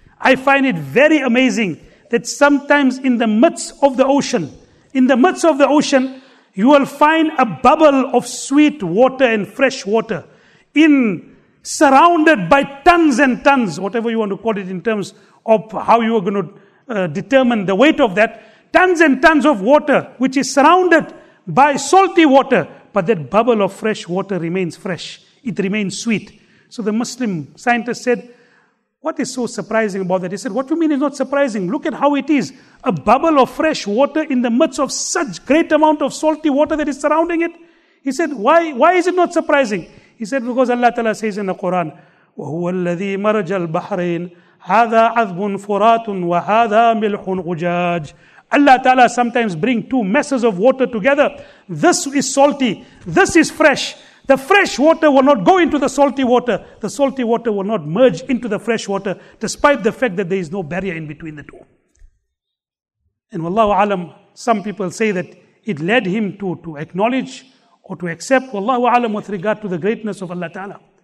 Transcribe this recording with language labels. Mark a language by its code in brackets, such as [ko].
[en] I find it very amazing that sometimes in the midst of the ocean, in the midst of the ocean, you will find a bubble of sweet water and fresh water in surrounded by tons and tons, whatever you want to call it in terms of how you are going to determine the weight of that, tons and tons of water which is surrounded by salty water, but that bubble of fresh water remains fresh. It remains sweet. So the Muslim scientist said, what is so surprising about that? He said, what you mean is not surprising. Look at how it is. A bubble of fresh water in the midst of such great amount of salty water that is surrounding it. He said, why is it not surprising? He said, because Allah Ta'ala says in the Quran, [ar] وَهُوَ الَّذِي مَرَجَ الْبَحْرَيْنِ هَذَا عَذْبٌ فُرَاتٌ وَهَذَا مِلْحٌ غُجَاجٌ. [en] Allah Ta'ala sometimes bring two masses of water together. This is salty. This is fresh. The fresh water will not go into the salty water. The salty water will not merge into the fresh water, despite the fact that there is no barrier in between the two. And wallahu alam, some people say that it led him to acknowledge or to accept, wallahu alam, with regard to the greatness of Allah Ta'ala.